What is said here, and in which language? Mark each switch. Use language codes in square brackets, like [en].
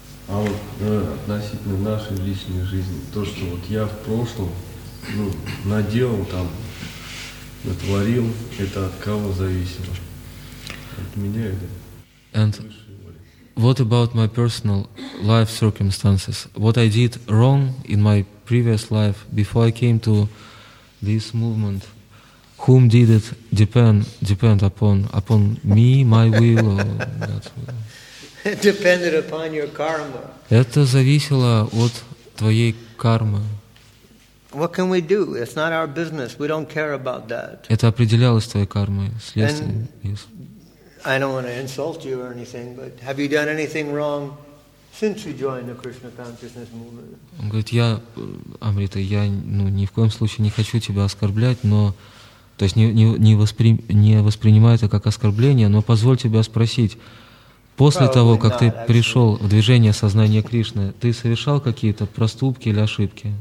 [ru] А вот относительно нашей личной жизни, то, что вот я в прошлом, ну, наделал там, натворил, это от кого зависело? От меня или? [en] And what about my personal life circumstances? What I did wrong in my previous life before I came to this movement? Whom did it depend upon me, my will, or that's what? It depended upon your karma. [ru] Это зависело от твоей кармы. [en] What can we do? It's not our business. We don't care about that. [ru] Это определялось твоей кармой, следствием. [en] I don't want to insult you or anything, but have you done anything wrong since you joined the Krishna consciousness movement? [ru] Он говорит, я, Амрита, я, ну, ни в коем случае не хочу тебя оскорблять, но то есть не воспринимай это как оскорбление, но позволь тебя спросить. После того, как ты пришел в движение сознания Кришны, ты совершал какие-то проступки или ошибки?